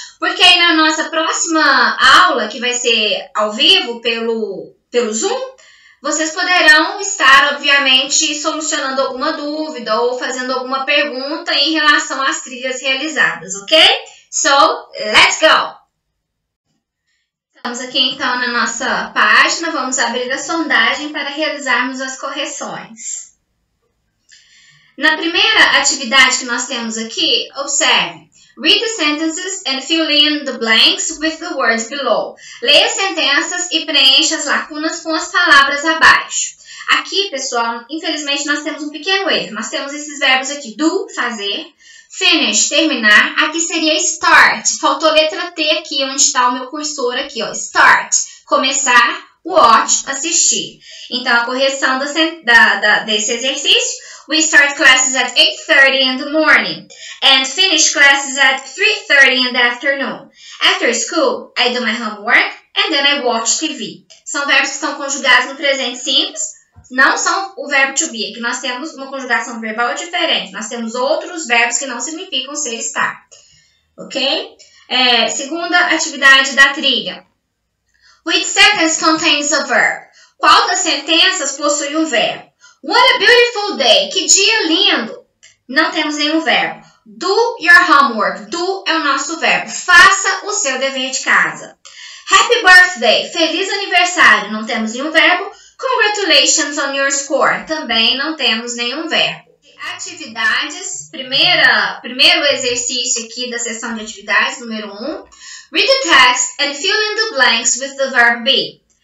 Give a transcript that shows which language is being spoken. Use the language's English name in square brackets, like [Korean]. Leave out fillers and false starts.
[Portuguese] Porque aí na nossa próxima aula, que vai ser ao vivo pelo Zoom, vocês poderão estar, obviamente, solucionando alguma dúvida ou fazendo alguma pergunta em relação às trilhas realizadas, ok? [English] So, let's go! [Portuguese] Estamos aqui então na nossa página, vamos abrir a sondagem para realizarmos as correções. Na primeira atividade que nós temos aqui, observe. [English] Read the sentences and fill in the blanks with the words below. [Portuguese] Leia as sentenças e preencha as lacunas com as palavras abaixo. Aqui, pessoal, infelizmente nós temos um pequeno erro. Nós temos esses verbos aqui: do, fazer; finish, terminar. Aqui seria start. Faltou letra T aqui, onde está o meu cursor aqui, ó. Start, começar; watch, assistir. Então, a correção desse exercício. [English] We start classes at 8:30 in the morning and finish classes at 3:30 in the afternoon. After school, I do my homework and then I watch TV. [Portuguese] São verbos que estão conjugados no presente simples, não são o verbo to be, que nós temos uma conjugação verbal diferente. Nós temos outros verbos que não significam ser estar. Ok? Segunda atividade da trilha. [English] Which sentence contains a verb? [Portuguese] Qual das sentenças possui um verbo? [English] What a beautiful day! [Portuguese] Que dia lindo! Não temos nenhum verbo. [English] Do your homework. [Portuguese] Do é o nosso verbo. Faça o seu dever de casa. [English] Happy birthday! [Portuguese] Feliz aniversário! Não temos nenhum verbo. [English] Congratulations on your score. [Portuguese] Também não temos nenhum verbo. Atividades. Primeiro exercício aqui da sessão de atividades, número 1. [English] Read the text and fill in the blanks with the verb be.